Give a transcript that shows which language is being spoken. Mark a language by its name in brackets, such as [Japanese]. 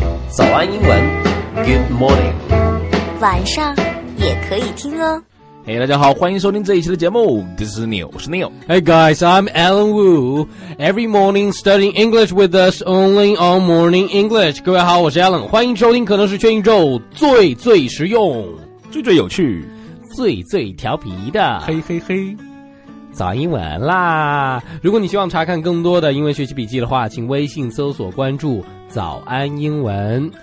[Chinese] 早安英文 ， [English] Good morning。 [Chinese] 晚上也可以听哦。 Hey, 大家好，欢迎收听这一期的节目。 [English] This is Neil, [Chinese] 我是 [English] Neil. Hey guys, I'm Alan Wu. Every morning studying English with us only on Morning English. [Chinese] 各位好，我是 Alan， 欢迎收听可能是全宇宙最最实用、最最有趣、最最调皮的。嘿嘿嘿。早英文啦，如果你希望查看更多的英文学习笔记的话，请微信搜索关注早安英文。